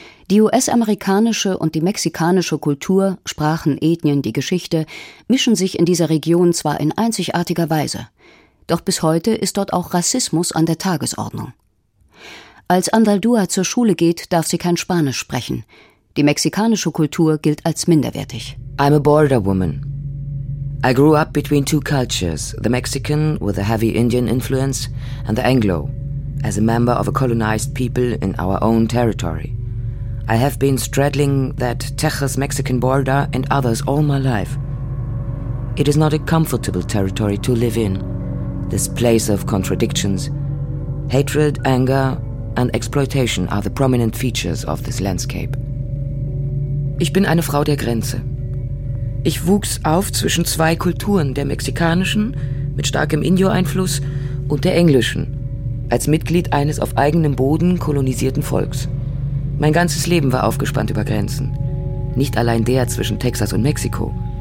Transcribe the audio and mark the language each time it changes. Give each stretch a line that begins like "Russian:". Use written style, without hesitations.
German: Die US-amerikanische und die mexikanische Kultur, Sprachen, Ethnien, die Geschichte mischen sich in dieser Region zwar in einzigartiger Weise, doch bis heute ist dort auch Rassismus an der Tagesordnung. Als Andaldúa zur Schule geht, darf sie kein Spanisch sprechen. Die mexikanische Kultur gilt als minderwertig.
English: I'm a border woman. I grew up between two cultures, the Mexican with a heavy Indian influence and the Anglo, as a member of a colonized people in our own territory. I have been straddling that Texas-Mexican border and others all my life. It is not a comfortable territory to live in, this place of contradictions. Hatred, anger and exploitation are the prominent features of this landscape.
German: Ich bin eine Frau der Grenze. Ich wuchs auf zwischen zwei Kulturen, der mexikanischen mit starkem Indio-Einfluss und der englischen, als Mitglied eines auf eigenem Boden kolonisierten Volks. Mein ganzes Leben war aufgespannt über Grenzen, nicht allein der zwischen Texas und Mexiko.